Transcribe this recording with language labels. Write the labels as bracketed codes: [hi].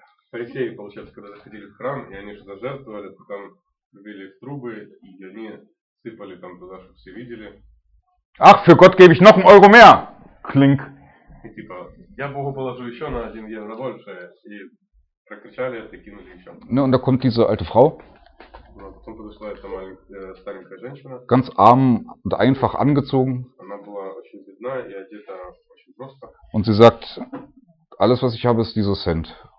[ru] Фарисеи, получается, когда заходили в храм, и они что-то жертвовали, то там били в трубы, и они сыпали там туда, чтобы все видели. [de] Ах, für Gott gebe ich noch einen Euro mehr! Klink. [ru] И типа, я Богу положу еще на 1 евро больше, и прокричали это, и кинули еще. [de] Ну, und da kommt diese alte Frau. [ru] Ну, потом подошла эта маленькая, старенькая женщина. [de] Ganz arm und einfach angezogen. [ru] Она была очень бедна и одета очень просто. [de] Und sie sagt, alles was ich habe, ist dieser Cent.